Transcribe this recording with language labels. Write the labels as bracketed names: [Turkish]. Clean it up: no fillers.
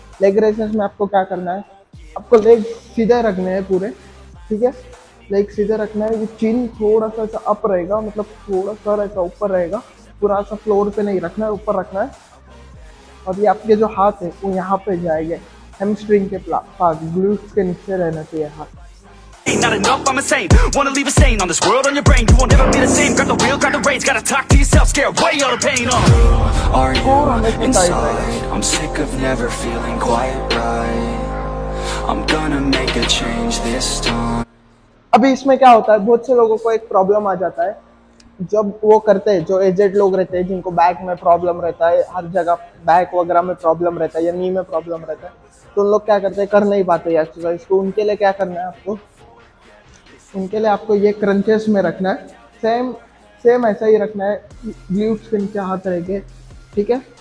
[Hindi] Leg raises में आपको क्या करना है, आपको लेग सीधे रखने हैं पूरे, ठीक है, लेग सीधे रखना है। वो चिन थोड़ा सा ऐसा अप रहेगा, मतलब थोड़ा सा ऐसा ऊपर रहेगा, पूरा सा फ्लोर पे नहीं रखना है, ऊपर रखना है। और ये आपके जो हाथ है वो यहाँ पे जाएंगे हैमस्ट्रिंग के पास, ग्लूट्स के नीचे रहना चाहिए हाथ। [English] Not enough, I'm insane. Wanna leave a stain on this world on your brain. You won't ever be the same. Grab the wheel, grab the reins. Gotta talk to yourself, scare away all the pain. Who are you inside? I'm sick of never feeling quite right. I'm gonna make a change this time. [Hindi] अभी इसमें क्या होता है, बहुत से लोगों को एक प्रॉब्लम आ जाता है जब वो करते हैं, जो एजेड लोग रहते हैं जिनको बैक में प्रॉब्लम रहता है, हर जगह बैक वगैरह में प्रॉब्लम रहता है या नी में प्रॉब्लम रहता है, तो उन लोग क्या करते हैं, कर नहीं पाते एक्सरसाइज को। उनके लिए क्या करना है, आपको उनके लिए आपको ये क्रंचेस में रखना है, सेम ऐसा ही रखना है, ग्लूट्स के नीचे हाथ रह गए, ठीक है।